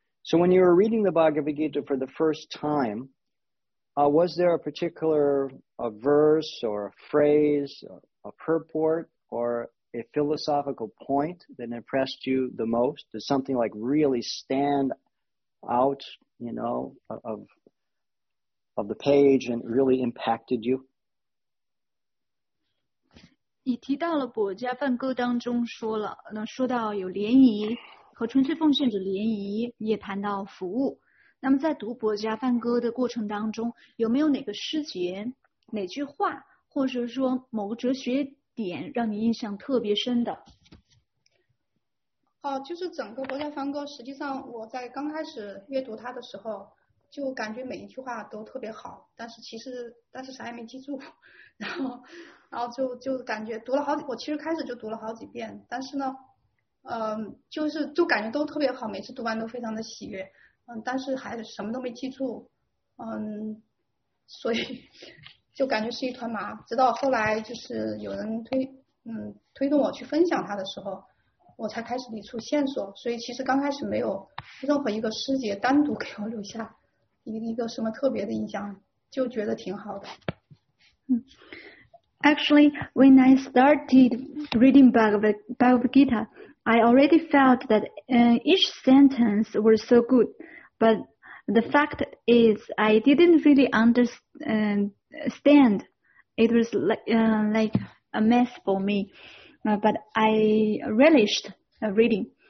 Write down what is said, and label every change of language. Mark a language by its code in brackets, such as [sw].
[en] So when you were reading the Bhagavad Gita for the first time, was there a particular a verse or a phrase, a purport, or a philosophical point that impressed you the most? Did something like really stand out, you know, of the page and really impacted you? [zh] 你提到了《博迦梵歌》当中说了，那说到有联谊和纯粹奉献者联谊，也谈到服务。那么在读《博迦梵歌》的过程当中，有没有哪个诗节、哪句话，或者说某个哲学点，让你印象特别深的？就是整个《博迦梵歌》，实际上我在刚开始阅读它的时候，就感觉每一句话都特别好，但是啥也没记住，然后就感觉读了好几，我其实开始就读了好几遍，但是呢，就感觉都特别好，每次读完都非常的喜悦，但是还什么都没记住，所以就感觉是一团麻。直到后来就是有人推动我去分享它的时候，我才开始理出线索。所以其实刚开始没有任何一个师姐单独给我留下一个什么特别的印象，就觉得挺好的。 [en] Actually, when I started reading Bhagavad Gita, I already felt that each sentence was so good. But the fact is, I didn't really understand. It was like a mess for me. But I relished reading.